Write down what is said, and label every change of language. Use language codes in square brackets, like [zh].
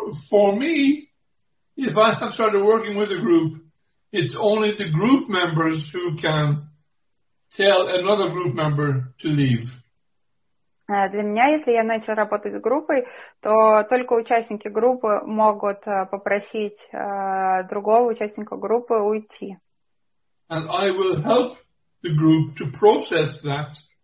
[en] For me, if I have started working with a group, it's only the group members who can tell another group member to leave. [ru] Для меня, если я начал работать с группой, то только участники группы могут попросить другого участника группы уйти. [en] And I will help the group to process that.